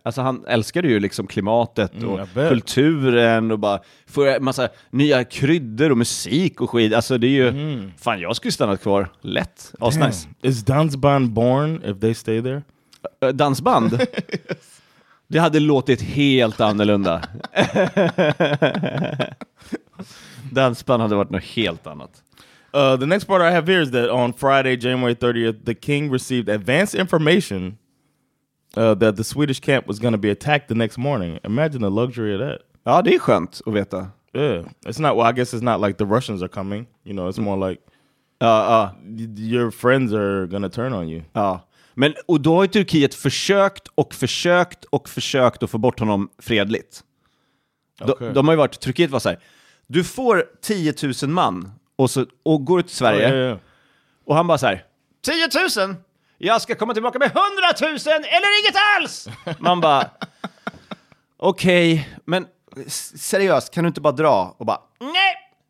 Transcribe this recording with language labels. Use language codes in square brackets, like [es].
[sv] Alltså han älskade ju liksom klimatet och kulturen och bara få massa nya krydder och musik och skit. Alltså det är ju fan, jag skulle stannat kvar lätt. [en] Oh, nice. Is dansband born if they stay there? Dansband? Yes. [sv] Det hade låtit helt annorlunda. Dansband hade varit något helt annat. [en] The next part I have here is that on Friday, January 30th, the king received advance information that the Swedish camp was going to be attacked the next morning. Imagine the luxury of that. [sv] Ja, det är skönt att veta. [en] Yeah. It's not, well, I guess it's not like the Russians are coming. You know, it's more like your friends are going to turn on you. [sv] Ja. Men, och då har ju Turkiet försökt och försökt och försökt att få bort honom fredligt. Okay. De har ju varit, Turkiet var så här, du får 10 000 man och går ut till Sverige. [en] Oh, yeah, yeah. [sv] Och han bara så här, 10 000? Jag ska komma tillbaka med 100 000 eller inget alls! Man bara, okej, okay, men seriöst, kan du inte bara dra? Och bara, nej!